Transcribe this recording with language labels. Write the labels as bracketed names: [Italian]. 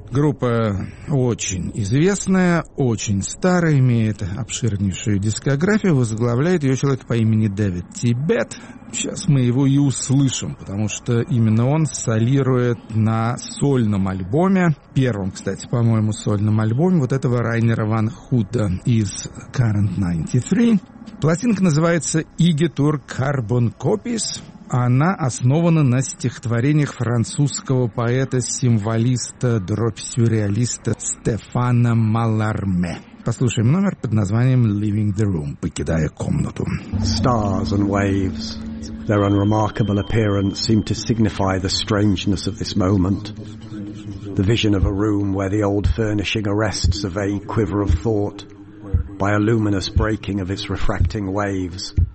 [Russian] Группа очень известная, очень старая, имеет обширнейшую дискографию, возглавляет ее человек по имени Дэвид Тибет. Сейчас мы его и услышим, потому что именно он солирует на сольном альбоме, первом, кстати, по-моему, сольном альбоме вот этого Райнера Ван Худа из Current 93. Пластинка называется «Igitur Carbon Copies». Она основана на стихотворениях французского поэта-символиста, дробь-сюрреалиста Стефана Малларме. Послушаем номер под названием «Leaving the Room», «Покидая комнату». [English] Stars and waves, their unremarkable appearance seem to signify the strangeness of this moment. The vision of a room where the old furnishing arrests a vague quiver of thought by a luminous breaking of its refracting waves.